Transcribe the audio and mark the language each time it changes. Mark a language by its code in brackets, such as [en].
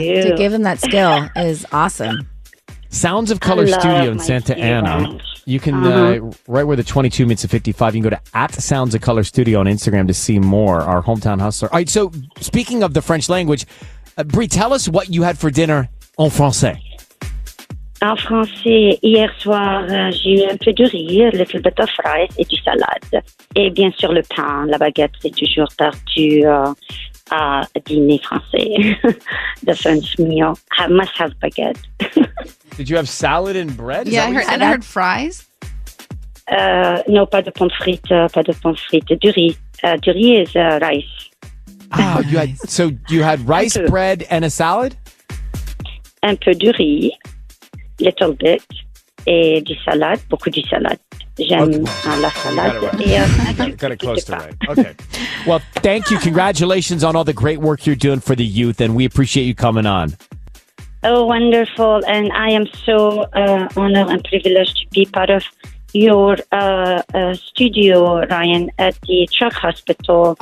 [en] Yeah. To give them that skill is awesome. Sounds of Color Studio in Santa Ana. You can, right where the 22 meets the 55, you can go to @SoundsOfColorStudio on Instagram to see more, our hometown hustler. All right. So speaking of the French language, Brie, tell us what you had for dinner en français. [fr] En français, hier soir, j'ai eu un peu de riz, a little bit of rice et du salade. Et bien sûr, le pain, la baguette, c'est toujours tardu à dîner français. [en] The French meal, I must have baguette. Did you have salad and bread? Yeah, I heard fries. [fr] No, pas de pommes frites, du riz. Du riz [en] is rice. Oh, you had rice, bread, and a salad? [fr] Un peu de riz. [en] Little bit, [fr] et du salade, beaucoup de salade. La salade. [en] Okay. Well, thank you. Congratulations on all the great work you're doing for the youth, and we appreciate you coming on. Oh, wonderful. And I am so honored and privileged to be part of your studio, Ryan, at the Truck Hospital.